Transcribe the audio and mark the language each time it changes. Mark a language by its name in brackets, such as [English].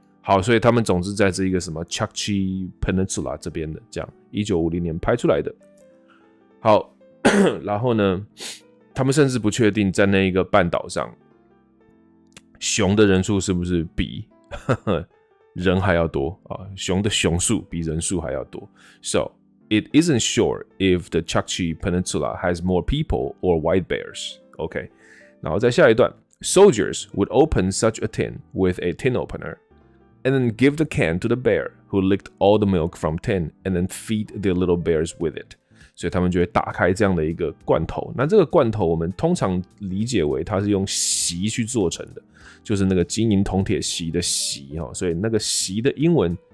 [Chinese] 好，所以他们总之在这一个什么 Chukchi Peninsula 这边的，这样1950年拍出来的。好然后呢他们甚至不确定在那一个半岛上熊的人数是不是比人还要多、啊、熊的熊数比人数还要多。 [English] So, it isn't sure if the Chukchi Peninsula has more people or white bears. OK, [Chinese] 然后在下一段 [English] Soldiers would open such a tin with a tin opener and then give the can to the bear who licked all the milk from tin and then feed their little bears with it. [Chinese] 所以他们就会打开这样的一个罐头。那这个罐头我们通常理解为它是用锡去做成的，就是那个金银铜铁锡的锡，所以那个锡的英文